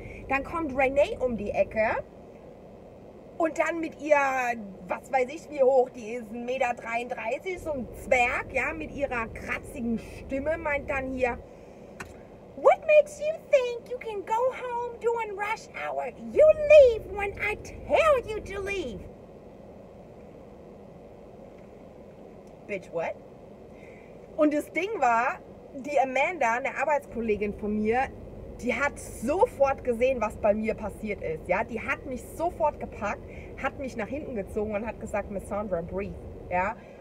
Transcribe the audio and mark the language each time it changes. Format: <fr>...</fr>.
<de>Dann kommt Renee um die Ecke und dann mit ihr, was weiß ich wie hoch, die ist 1,33 m, so ein Zwerg, ja, mit ihrer kratzigen Stimme, meint dann hier,</de> <en>what makes you think you can go home during rush hour? You leave when I tell you to leave. Bitch, what?</en> <de>Und das Ding war, die Amanda, eine Arbeitskollegin von mir, die hat sofort gesehen, was bei mir passiert ist. Ja? Die hat mich sofort gepackt, hat mich nach hinten gezogen und hat gesagt, Miss Sandra,</de> <en>breathe.</en> <de>Ja?</de>